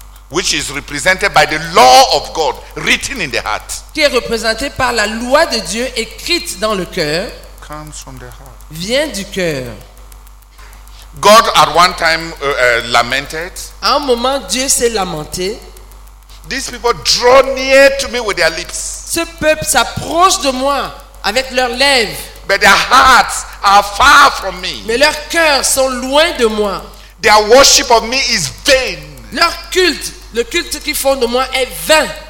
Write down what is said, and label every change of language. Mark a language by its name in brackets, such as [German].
[English] Which is represented by the law of God written in the heart. [French] Qui est représentée par la loi de Dieu écrite dans le cœur. [English] Comes from the heart. [French] Vient du cœur. [English] God at one time lamented. [French] À un moment, Dieu s'est lamenté. [English] These people draw near to me with their lips. [French] Ce peuple s'approche de moi avec leurs lèvres. [English] But their hearts are far from me. [French] Mais leurs cœurs sont loin de moi. [English] Their worship of me is vain. [French] Leur culte, le culte qu'ils font de moi est vain.